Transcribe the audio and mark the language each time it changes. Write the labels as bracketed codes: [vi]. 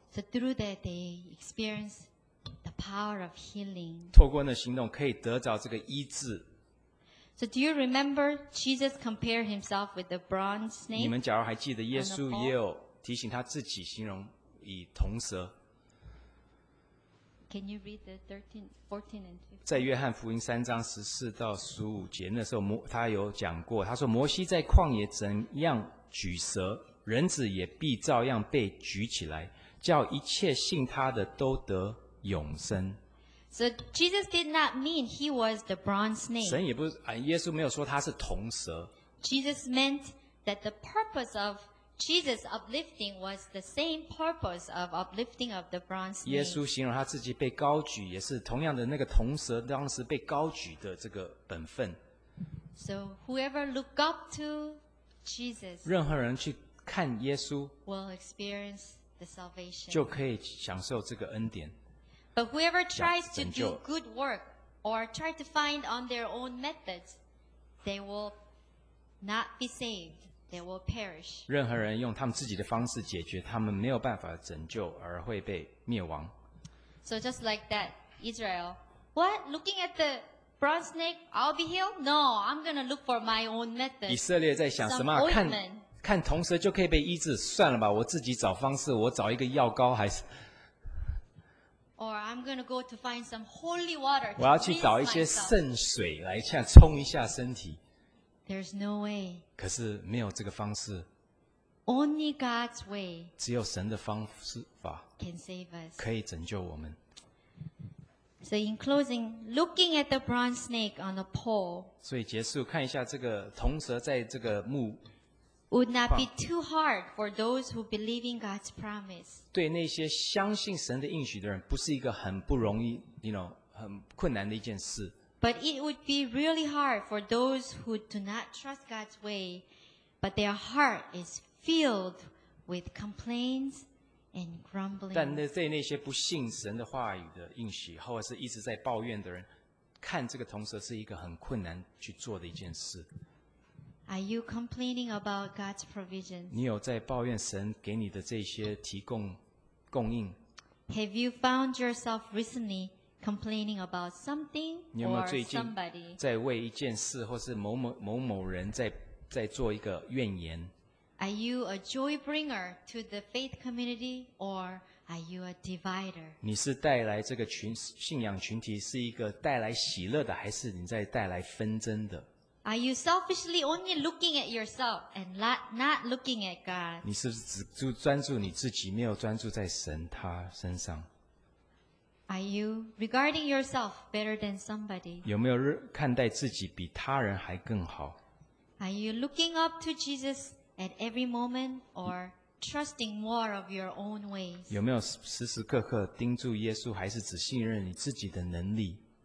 [en] So through that they experience the power of healing. [zh] 透过那行动可以得着这个医治。 [en] So do you remember Jesus compared himself with the bronze snake? [zh] 你们假如还记得耶稣也有提醒他自己形容以铜蛇。 [en] Can you read the 13, 14 and 15? [zh] 在约翰福音3:14-15那时候他有讲过，他说摩西在旷野怎样举蛇，人子也必照样被举起来，叫一切信他的都得永生。 [en] So Jesus did not mean he was the bronze snake. [zh] 神也不耶稣没有说他是铜蛇。 [en] Jesus meant that the purpose of Jesus uplifting was the same purpose of uplifting of the bronze snake. [zh] 耶稣形容他自己被高举，也是同样的那个铜蛇当时被高举的这个本分。 [en] So whoever look up to Jesus, [zh] 任何人去看耶稣 [en] will experience the salvation. [zh] 就可以享受这个恩典。 [en] But whoever tries to do good work or try to find on their own methods, they will not be saved. They will perish. [zh] 任何人用他们自己的方式解决，他们没有办法拯救，而会被灭亡。 [en] So just like that, Israel, what? Looking at the bronze snake, I'll be healed? No, I'm gonna look for my own methods. [zh] 以色列在想什么？看铜蛇就可以被医治，算了吧，我自己找方式，我找一个药膏还是 [en] Or I'm going to go to find some holy water. [zh] 我要去找一些圣水来像冲一下身体。 [en] There's no way. [zh] 可是没有这个方式。 [en] Only God's way. [zh] 只有神的方式法 [en] can save us. [zh] 可以拯救我们。 [en] So in closing, looking at the bronze snake on a pole. [zh] 所以结束看一下这个铜蛇在这个木 [en] would not be too hard for those who believe in God's promise. [zh] 对那些相信神的应许的人，不是一个很不容易， [en] you know, [zh] 很困难的一件事。 [en] But it would be really hard for those who do not trust God's way, but their heart is filled with complaints and grumbling. [zh] 但对那些不信神的话语的应许，或者是一直在抱怨的人，看这个同时是一个很困难去做的一件事。 [en] Are you complaining about God's provision? [zh] 你有在抱怨神给你的这些提供供应？ [en] Have you found yourself recently complaining about something or somebody? [zh] 你有没有最近在为一件事或是某某某某人在做一个怨言？ [en] Are you a joy bringer to the faith community or are you a divider? [zh] 你是带来这个信仰群体是一个带来喜乐的，还是你在带来纷争的？ [en] Are you selfishly only looking at yourself and not looking at God? [zh] 你是不是只专注你自己，没有专注在神他身上？ [en] Are you regarding yourself better than somebody? [zh] 有没有看待自己比他人还更好？ [en] Are you looking up to Jesus at every moment or trusting more of your own ways? [zh] 有没有时时刻刻盯住耶稣，还是只信任你自己的能力？